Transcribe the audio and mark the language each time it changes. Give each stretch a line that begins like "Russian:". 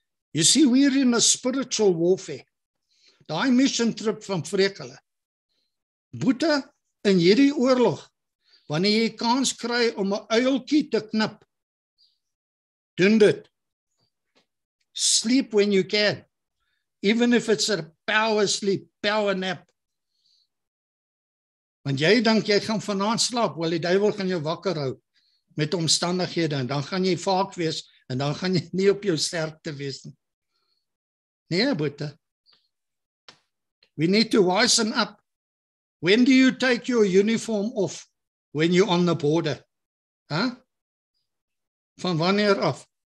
English: You see, we're in a spiritual warfare.
Afrikaans: Die mission trip van Vrekele. Boete in hierdie oorlog, wanneer jy kans kry om 'n uiltjie te knip, doen dit.
English: Sleep when you can. Even if it's a power sleep, power nap.
Afrikaans: Want jy dink jy gaan vanaand slaap, want die duivel gaan jou wakker hou met omstandighede en dan gaan jy vaak wees en dan gaan jy nie op jou sterkte wees nie. Nee, boete.
English: We need to wisen up. When do you take your uniform off? When you're on the border? Huh?
Afrikaans: Van wanneer af?